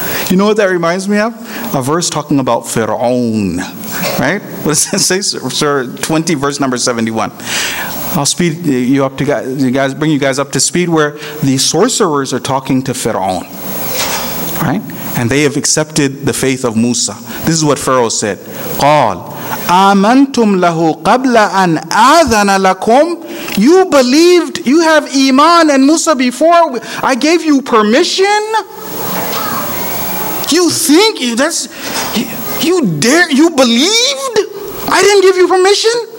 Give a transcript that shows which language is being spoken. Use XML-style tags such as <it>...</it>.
<en>You know what that reminds me of? A verse talking about Fir'aun, right? What does that say, sir? 20, verse number 71. I'll speed you up to guys, bring you guys up to speed where the sorcerers are talking to Fir'aun, right? And they have accepted the faith of Musa. This is what Pharaoh said.</en> <ar>قال آمنتم له قبل أن آذن لكم.</ar> <en>You believed, you have Iman and Musa before. I gave you permission. You think that's, you dare, you believed? I didn't give you permission?</en>